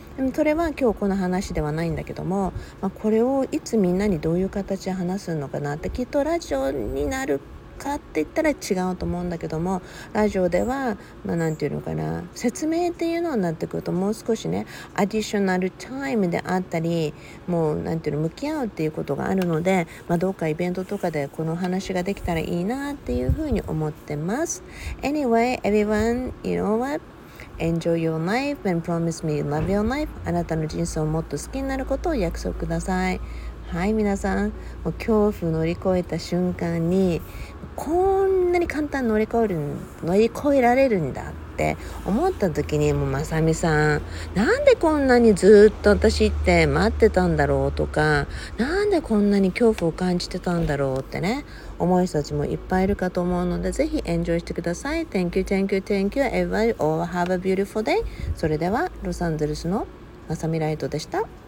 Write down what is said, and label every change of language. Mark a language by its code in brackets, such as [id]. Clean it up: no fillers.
[ja] でもそれは今日この話ではないんだけども、まあ、これをいつみんなにどういう形で話すのかなって、きっとラジオになるかって言ったら違うと思うんだけども、ラジオでは、まあ、なんていうのかな、説明っていうのになってくると、もう少しね、アディショナルタイムであったり、もうなんていうの、向き合うっていうことがあるので、まあ、どうかイベントとかでこの話ができたらいいなっていうふうに思ってます。 [en] Anyway, everyone, you know what? Enjoy your life and promise me you love your life. [ja] あなたの人生をもっと好きになることを約束ください。はい、皆さん、もう恐怖乗り越えた瞬間にこんなに簡単に乗り越えられるんだって思った時に、もうまさみさん、なんでこんなにずっと私って待ってたんだろうとか、なんでこんなに恐怖を感じてたんだろうってね、思う人たちもいっぱいいるかと思うので、ぜひエンジョイしてください。 [en] Thank you, thank you, thank you, everybody, all have a beautiful day. [ja] それではロサンゼルスのまさみライトでした。